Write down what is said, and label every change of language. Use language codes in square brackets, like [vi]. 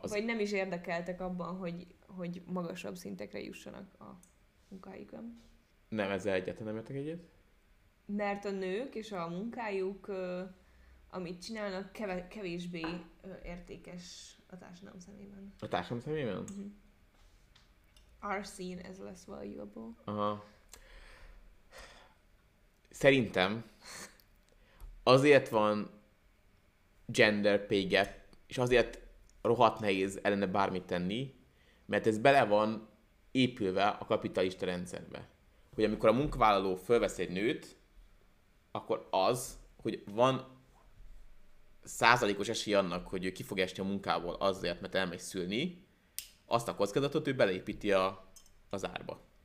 [hu] Vagy nem is érdekeltek abban, hogy magasabb szintekre jussanak a munkáikon. Nem, ezzel egyáltalán nem értek egyet. Mert a nők és a munkájuk, amit csinálnak, kevésbé értékes a társadalom szemében. A társadalom szemében? Uh-huh. [en] Are seen as less valuable. Aha. [hu] Szerintem... Azért van gender pay gap, és azért rohadt nehéz ellene bármit tenni, mert ez bele van épülve a kapitalista rendszerbe. Hogy amikor a munkavállaló fölvesz egy nőt, akkor az, hogy van százalékos esély annak, hogy ő ki fog esni a munkából azért, mert elmegy szülni, azt a kockázatot ő beleépíti az árba.